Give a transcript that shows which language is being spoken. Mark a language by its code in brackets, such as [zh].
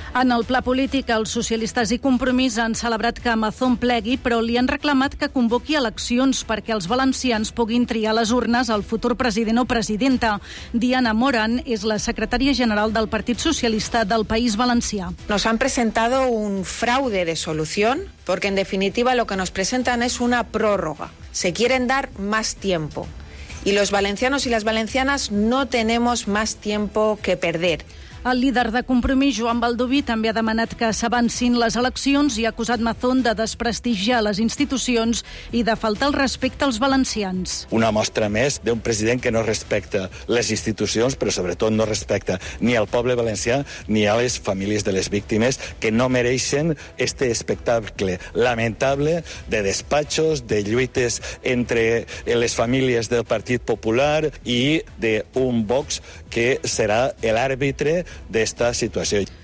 [ca] En el pla polític, els socialistes i Compromís han celebrat que Amazon plegui, però li han reclamat que convoqui eleccions perquè els valencians puguin triar les urnes al futur president o presidenta. Diana Morán és la secretària general del Partit Socialista del País Valencià. [es] Nos han presentado un fraude de solución porque, en definitiva, lo que nos presentan es una prórroga. Se quieren dar más tiempo. Y los valencianos y las valencianas no tenemos más tiempo que perder. [ca] El líder de Compromís, Joan Baldoví, també ha demanat que s'avancin les eleccions i ha acusat Mazón de desprestigiar les institucions i de faltar el respecte als valencians. Una mostra més d'un president que no respecta les institucions, però sobretot no respecta ni al poble valencià ni a les famílies de les víctimes, que no mereixen este espectacle lamentable de despatxos, de lluites entre les famílies del Partit Popular i d'un Vox que serà l'àrbitre d'esta situació.